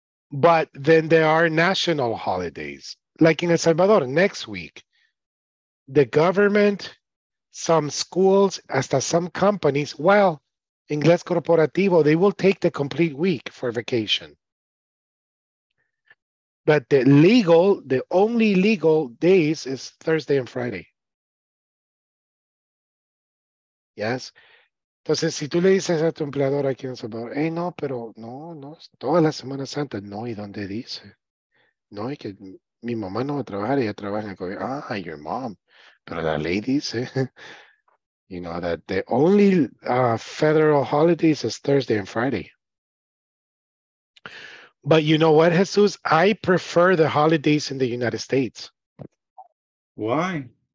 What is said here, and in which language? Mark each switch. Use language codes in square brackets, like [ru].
[en] But then there are national holidays. Like in El Salvador, next week, the government, some schools, hasta some companies, well, Ingles Corporativo, they will take the complete week for vacation. But the only legal days is Thursday and Friday. Yes? [es] Entonces, si tú le dices a tu empleador aquí en Salvador, hey, no, pero no, toda la Semana Santa, no, ¿y dónde dice? No, y que mi mamá no va a trabajar, ella trabaja en el gobierno. [en] Ah, your mom. [es] Pero la ley dice, [en] you know, that the only federal holidays is Thursday and Friday. But you know what, Jesus? I prefer the holidays in the United States. Why?